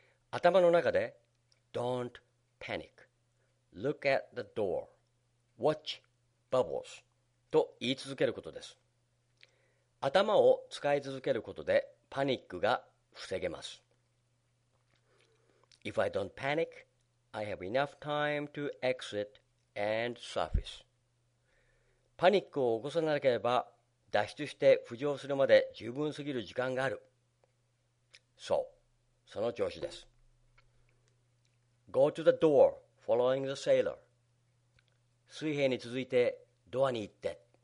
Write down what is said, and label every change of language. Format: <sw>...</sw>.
<ja>頭の中で</ja> <en>Don't panic. Look at the door. Watch bubbles.</en> <ja>と言い続けることです。頭を使い続けることでパニックが防げます。</ja> <en>If I don't panic, I have enough time to exit and surface.</en> <ja>パニックを起こさなければ脱出して浮上するまで十分すぎる時間がある。そう、その調子です。</ja> <en>Go to the door, following the sailor.</en> <ja>水平に続いてドアに行って。</ja>